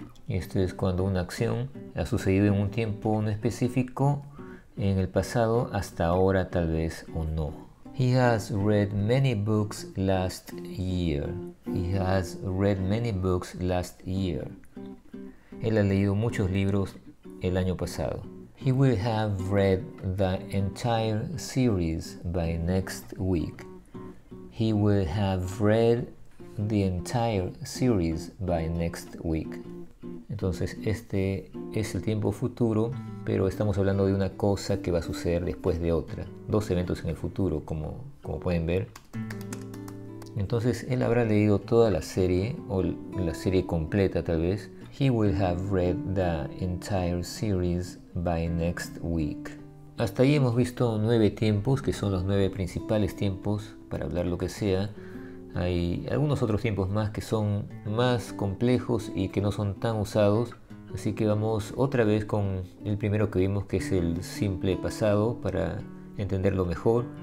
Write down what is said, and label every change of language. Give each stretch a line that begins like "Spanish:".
Spanish: Esto es cuando una acción ha sucedido en un tiempo no específico, en el pasado, hasta ahora tal vez o no.
English: He has read many books last year. He has read many books last year.
Spanish: Él ha leído muchos libros el año pasado.
English: He will have read the entire series by next week. He will have read the entire series by next week.
Spanish: Entonces, este es el tiempo futuro, pero estamos hablando de una cosa que va a suceder después de otra. Dos eventos en el futuro, como pueden ver. Entonces, él habrá leído toda la serie, o la serie completa tal vez.
English: He will have read the entire series by next week.
Spanish: Hasta ahí hemos visto nueve tiempos, que son los nueve principales tiempos, para hablar lo que sea. Hay algunos otros tiempos más que son más complejos y que no son tan usados. Así que vamos otra vez con el primero que vimos, que es el simple pasado, para entenderlo mejor.